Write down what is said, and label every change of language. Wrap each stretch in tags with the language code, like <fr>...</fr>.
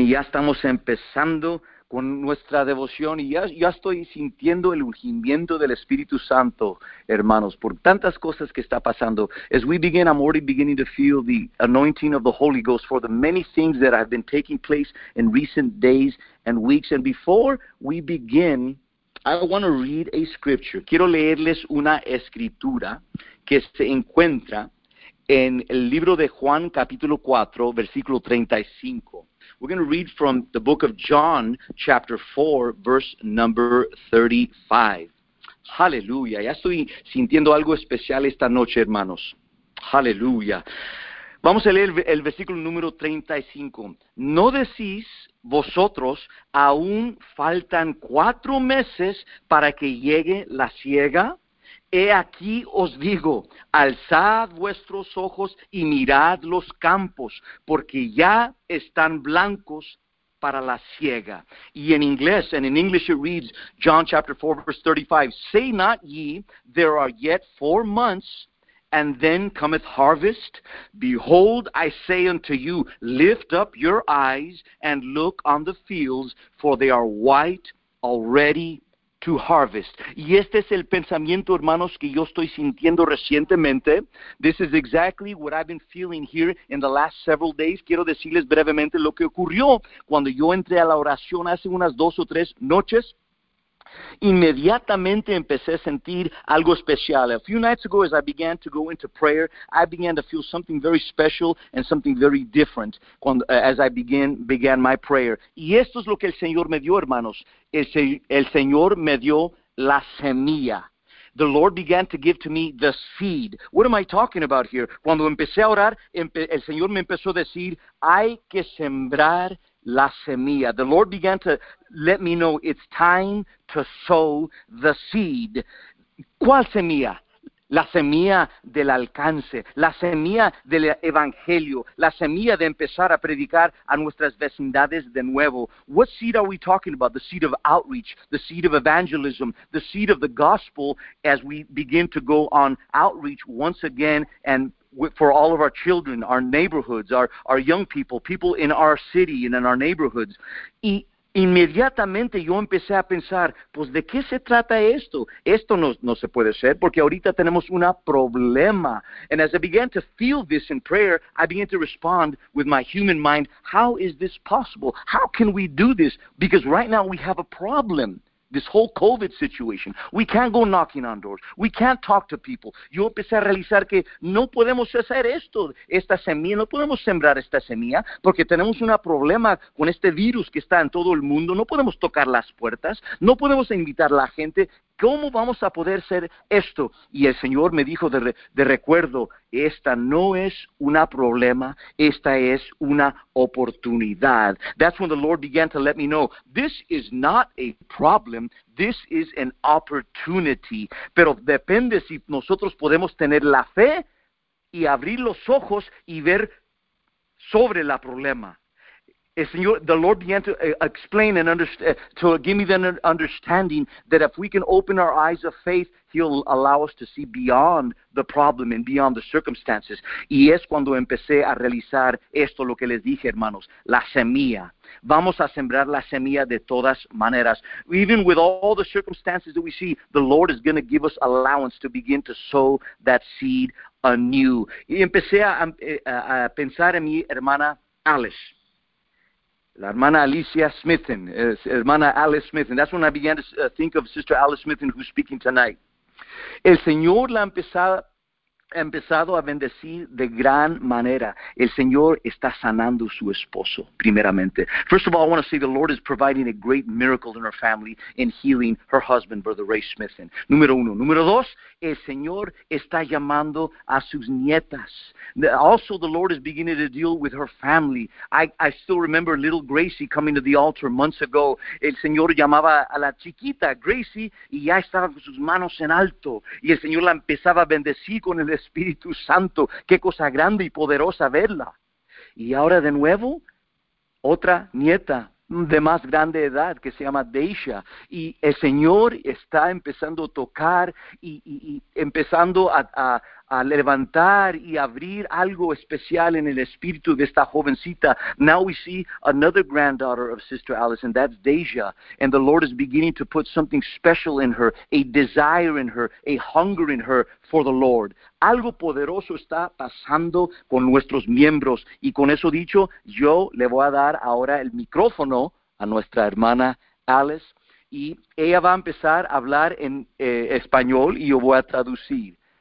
<es>Y ya estamos empezando con nuestra devoción y ya estoy sintiendo el ungimiento del Espíritu Santo, hermanos, por tantas cosas que está pasando.</es> <en>As we begin, I'm already beginning to feel the anointing of the Holy Ghost for the many things that have been taking place in recent days and weeks. And before we begin, I want to read a scripture.</en> <es>Quiero leerles una escritura que se encuentra en el libro de Juan, capítulo 4, versículo 35.</es> <en>We're going to read from the book of John, chapter 4, verse number 35. Hallelujah.</en> <es>Ya estoy sintiendo algo especial esta noche, hermanos. Hallelujah. Vamos a leer el versículo número 35. No decís vosotros, aún faltan 4 meses para que llegue la siega. He aquí os digo, alzad vuestros ojos y mirad los campos, porque ya están blancos para la siega. Y en inglés,</es> <en>and in English it reads, John chapter 4, verse 35, say not ye, there are yet 4 months, and then cometh harvest. Behold, I say unto you, lift up your eyes and look on the fields, for they are white already to harvest.</en> <es>Y este es el pensamiento, hermanos, que yo estoy sintiendo recientemente.</es> <en>This is exactly what I've been feeling here in the last several days.</en> <es>Quiero decirles brevemente lo que ocurrió cuando yo entré a la oración hace unas 2 o 3 noches. Inmediatamente empecé a sentir algo especial.</es> <en>A few nights ago, as I began to go into prayer, I began to feel something very special and something very different as I began my prayer.</en> <es>Y esto es lo que el Señor me dio, hermanos. El Señor me dio la semilla.</es> <en>The Lord began to give to me the seed. What am I talking about here?</en> <es>Cuando empecé a orar, el Señor me empezó a decir, hay que sembrar la semilla.</es> <en>The Lord began to let me know it's time to sow the seed.</en> <es>¿Cuál semilla? La semilla del alcance, la semilla del evangelio, la semilla de empezar a predicar a nuestras vecindades de nuevo.</es> <en>What seed are we talking about? The seed of outreach, the seed of evangelism, the seed of the gospel as we begin to go on outreach once again and for all of our children, our neighborhoods, our young people, people in our city and in our neighborhoods.</en> <es>Y inmediatamente yo empecé a pensar, pues, ¿de qué se trata esto? Esto no se puede ser, porque ahorita tenemos un problema.</es> <en>And as I began to feel this in prayer, I began to respond with my human mind, how is this possible? How can we do this? Because right now we have a problem. This whole COVID situation, we can't go knocking on doors. We can't talk to people.</en> <es>Yo empecé a realizar que no podemos hacer esto, esta semilla, no podemos sembrar esta semilla, porque tenemos un problema con este virus que está en todo el mundo. No podemos tocar las puertas, no podemos invitar a la gente. ¿Cómo vamos a poder hacer esto? Y el Señor me dijo de recuerdo, esta no es un problema, esta es una oportunidad.</es> <en>That's when the Lord began to let me know, this is not a problem, this is an opportunity.</en> <es>Pero depende si nosotros podemos tener la fe y abrir los ojos y ver sobre el problema. El Señor,</es> <en>the Lord began to explain and to give me the understanding that if we can open our eyes of faith, He'll allow us to see beyond the problem and beyond the circumstances.</en> <es>Y es cuando empecé a realizar esto, lo que les dije, hermanos, la semilla. Vamos a sembrar la semilla de todas maneras.</es> <en>Even with all the circumstances that we see, the Lord is going to give us allowance to begin to sow that seed anew.</en> <es>Y empecé a pensar en mi hermana Alice. La hermana Alicia Smithen, hermana Alice Smithen.</es> <en>That's when I began to think of Sister Alice Smithen who's speaking tonight.</en> <es>El Señor la ha empezado a bendecir de gran manera. El Señor está sanando su esposo, primeramente.</es> <en>First of all, I want to say the Lord is providing a great miracle in her family in healing her husband, Brother Ray Smithen.</en> <es>Número uno. Número dos, el Señor está llamando a sus nietas.</es> <en>Also, the Lord is beginning to deal with her family. I still remember little Gracie coming to the altar months ago.</en> <es>El Señor llamaba a la chiquita Gracie y ya estaba con sus manos en alto. Y el Señor la empezaba a bendecir con el Espíritu Santo. Qué cosa grande y poderosa verla. Y ahora de nuevo, otra nieta de más grande edad que se llama Deisha. Y el Señor está empezando a tocar y empezando a a levantar y abrir algo especial en el espíritu de esta jovencita.</es> <en>Now we see another granddaughter of Sister Allison, that's Deja, and the Lord is beginning to put something special in her, a desire in her, a hunger in her for the Lord.</en> <es>Algo poderoso está pasando con nuestros miembros. Y con eso dicho, yo le voy a dar ahora el micrófono a nuestra hermana Alice. Y ella va a empezar a hablar en español y yo voy a traducir.</es>